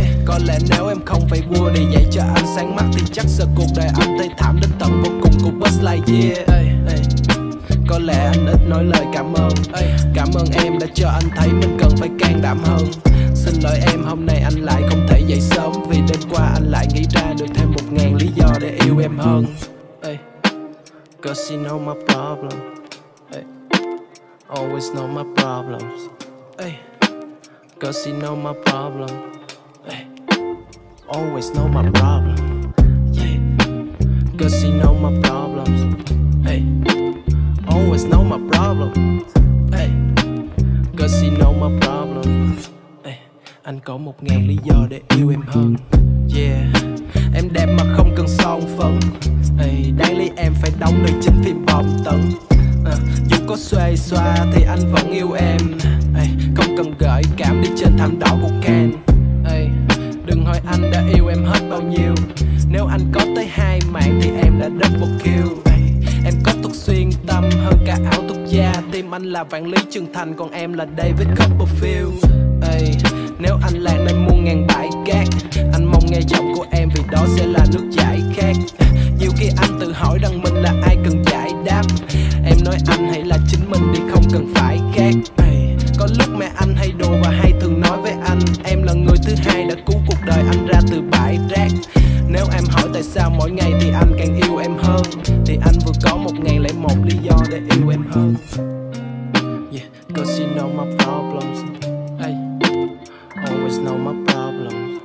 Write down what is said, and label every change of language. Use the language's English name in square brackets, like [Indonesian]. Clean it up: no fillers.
[Vietnamese] Có lẽ nếu em không phải vua để dạy cho anh sáng mắt, thì chắc giờ cuộc đời anh thấy thảm đến tận vô cùng của Buzz Lightyear. Có lẽ anh ít nói lời cảm ơn. Cảm ơn em đã cho anh thấy mình cần phải can đảm hơn. Xin lỗi em hôm nay anh lại không thể dậy sớm, vì đêm qua anh lại nghĩ ra được thêm 1000 lý do để yêu em hơn. [English] Cause you know my problem, hey. Always know my problems, hey. Cause you know my problem, hey. Always know my problem, yeah. Cause you know my problems, hey. Always know my problem, hey. Cause you know my problem, hey. [Vietnamese] Anh có 1000 lý do để yêu em hơn, yeah. Em đẹp mà không cần son phấn. Đáng lý em phải đóng được chính phim bom tấn. Dù có xuê xoa thì anh vẫn yêu em. Không cần gợi cảm đi trên thảm đỏ của Ken. Đừng hỏi anh đã yêu em hết bao nhiêu. Nếu anh có tới 2 mạng thì em đã double kill. Em có thuật xuyên tâm hơn cả áo thuật gia. Tim anh là Vạn Lý Trường Thành, còn em là David Copperfield. Nếu anh lạc nên mua 1000 bãi cát, anh mong nghe giọng của em vì đó sẽ là nước giải khác. Nhiều khi anh tự hỏi rằng mình là ai cần giải đáp. Em nói anh hãy là chính mình đi, không cần phải khác. Có lúc mẹ anh hay đùa và hay thường nói với anh, em là người thứ hai đã cứu cuộc đời anh ra từ bãi rác. Nếu em hỏi tại sao mỗi ngày thì anh càng yêu em hơn, thì anh vừa có 1001 lý do để yêu em hơn. [English] Yeah, cause you know my problems. Always know my problems.